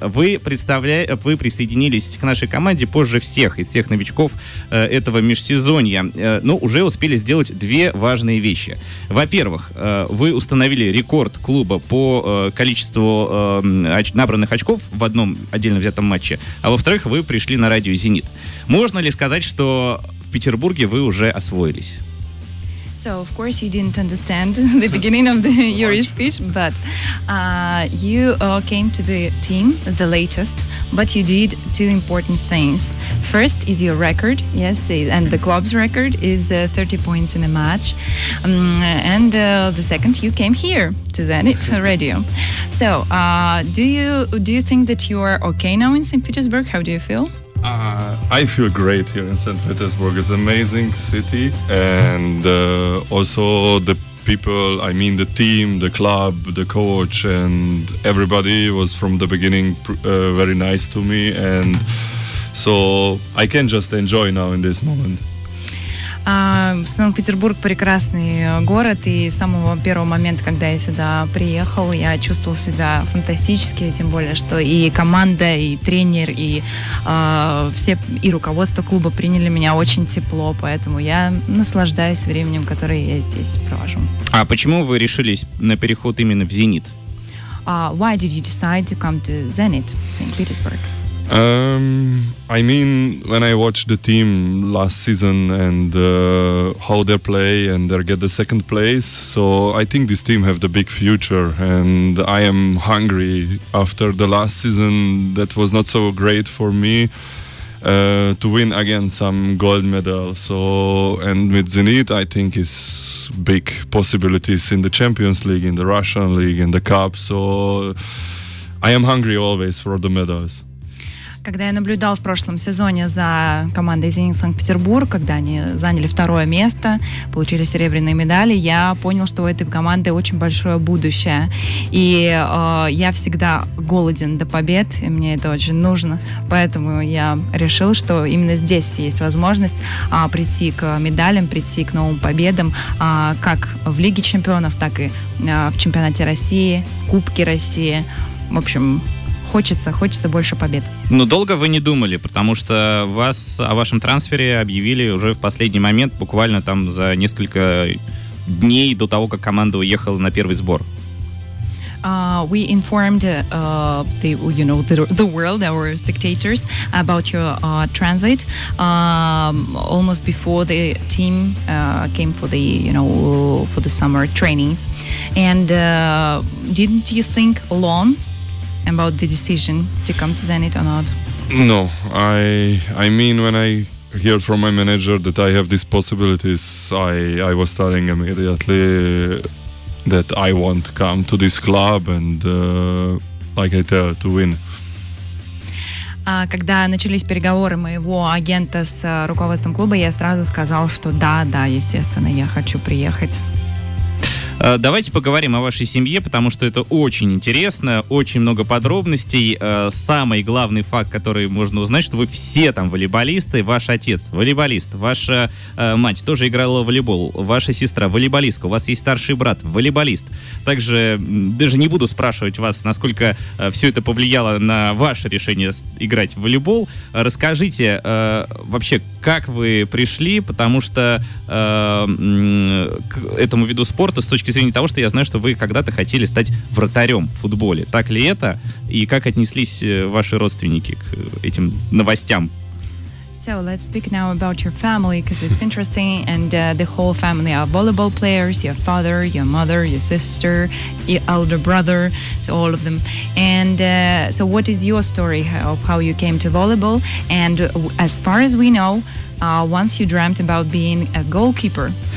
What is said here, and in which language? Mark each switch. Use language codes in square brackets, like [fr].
[ru] Вы присоединились к нашей команде позже всех из всех новичков этого межсезонья, но уже успели сделать две важные вещи. Во-первых, вы установили рекорд клуба по количеству набранных очков в одном отдельно взятом матче, а во-вторых, вы пришли на радио «Зенит». Можно ли сказать, что в Петербурге вы уже освоились? [en] So, of course, you didn't understand the beginning of your speech, but you came to the team the latest, but you did two important things. First is your record, yes, and the club's record is 30 points in a match. The second, you came here to Zenit Radio. So, do you think that you are okay now in St. Petersburg? How do you feel? I feel great here in St. Petersburg. It's an amazing city, and also the people, I mean the team, the club, the coach, and everybody was from the beginning very nice to me, and so I can just enjoy now in this moment. [ru] Санкт-Петербург — прекрасный город, и с самого первого момента, когда я сюда приехал, я чувствовал себя фантастически, тем более, что и команда, и тренер, и все, и руководство клуба приняли меня очень тепло, поэтому я наслаждаюсь временем, которое я здесь провожу. А почему вы решились на переход именно в «Зенит»? [en] Why did you decide to come to Zenit, St. Petersburg? I mean, when I watched the team last season and how they play and they get the second place, so I think this team have the big future, and I am hungry after the last season that was not so great for me to win again some gold medal. So, and with Zenit, I think is big possibilities in the Champions League, in the Russian League, in the Cup. So I am hungry always for the medals. [ru] Когда я наблюдал в прошлом сезоне за командой «Зенит» Санкт-Петербург, когда они заняли второе место, получили серебряные медали, я понял, что у этой команды очень большое будущее. И я всегда голоден до побед, и мне это очень нужно. Поэтому я решил, что именно здесь есть возможность прийти к медалям, прийти к новым победам, как в Лиге чемпионов, так и в чемпионате России, в Кубке России. В общем, Хочется больше побед. Но долго вы не думали, потому что о вашем трансфере объявили уже в последний момент, буквально там за несколько дней до того, как команда уехала на первый сбор. [en] We informed the world, our spectators, about your transit almost before the team came for the, you know, for the summer trainings. And didn't you think long about the decision to come to Zenit or not? No, I mean, when I heard from my manager that I have these possibilities, I was telling immediately that I want to come to this club and, like I tell, to win. [ru] Когда начались переговоры моего агента с руководством клуба, я сразу сказал, что да, естественно, я хочу приехать. Давайте поговорим о вашей семье, потому что это очень интересно, очень много подробностей. Самый главный факт, который можно узнать, что вы все там волейболисты. Ваш отец – волейболист, ваша мать тоже играла в волейбол, ваша сестра – волейболистка, у вас есть старший брат – волейболист. Также даже не буду спрашивать вас, насколько все это повлияло на ваше решение играть в волейбол. Расскажите вообще, как вы пришли, потому что к этому виду спорта с точки зрения того, что я знаю, что вы когда-то хотели стать вратарем в футболе. Так ли это? И как отнеслись ваши родственники к этим новостям? [en] So, let's speak now about your family, because it's interesting, and the whole family are volleyball players, your father, your mother, your sister, your elder brother, so all of them. And so what is your story of how you came to volleyball? And as far as we know, once you dreamt about being a goalkeeper.